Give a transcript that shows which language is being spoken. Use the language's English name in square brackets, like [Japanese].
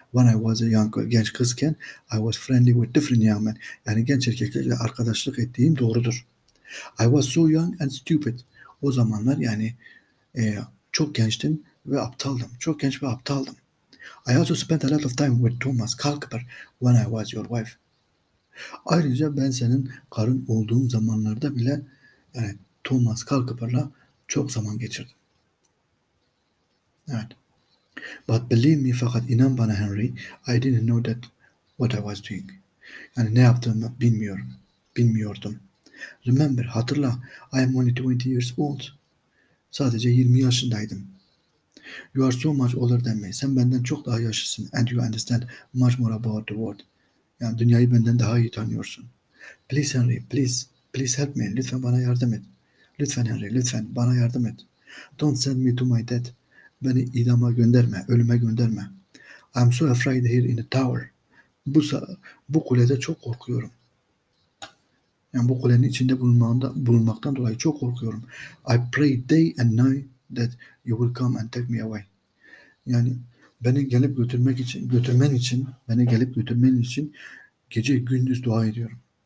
[English] When I was a young girl, [Turkish] genç kızken, [English] I was friendly with different young men. [Turkish] Yani genç erkeklerle arkadaşlık ettiğim doğrudur. [English] I was so young and stupid. [Turkish] O zamanlar yani çok gençtim ve aptaldım. Çok genç ve aptaldım. [English] I also spent a lot of time with Thomas Culpepper when I was your wife. [Turkish] Ayrıca ben senin karın olduğum zamanlarda bile yani Thomas Culpepper'la çok zaman geçirdim. Evet. [English] But believe me, [Turkish] fakat inan bana [English] Henry, I didn't know that what I was doing. [Turkish] Yani ne yaptığımı bilmiyordum. [English] Remember, [Turkish] hatırla, [English] I am only 20 years old. [Turkish] Sadece 20 yaşındaydım. [English] You are so much older than me. [Turkish] Sen benden çok daha yaşlısın. [English] And you understand much more about the world. [Turkish] Yani dünyayı benden daha iyi tanıyorsun. [English] Please Henry, please, please help me. [Turkish] Lütfen bana yardım et. Lütfen Henry, lütfen bana yardım et. [English] Don't send me to my death. [Turkish] Beni idama gönderme, ölüme gönderme. [English] I'm so afraid here in the tower. [Turkish] Bu kulede çok korkuyorum. Yani bu kulenin içinde bulunmaktan dolayı çok korkuyorum. [English] I pray day and night that you will come and take me away. [Turkish] Yani beni gelip götürmen için gece gündüz dua ediyorum.